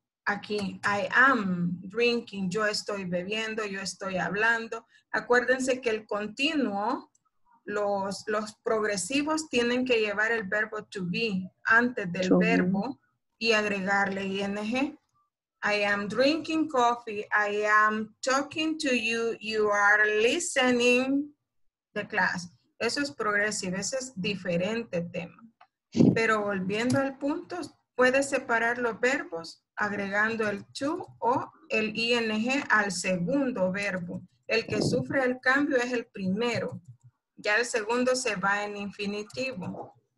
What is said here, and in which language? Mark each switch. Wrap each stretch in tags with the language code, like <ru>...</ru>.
<es>aquí,</es> <en>I am drinking,</en> <es>yo estoy bebiendo, yo estoy hablando. Acuérdense que el continuo, los progresivos tienen que llevar el verbo to be antes del verbo y agregarle ing.</es> <en>I am drinking coffee, I am talking to you, you are listening the class.</en> <es>Eso es progresivo, ese es diferente tema. Pero volviendo al punto, puedes separar los verbos agregando el to o el ing al segundo verbo. El que sufre el cambio es el primero. Ya el segundo se va en infinitivo.</es>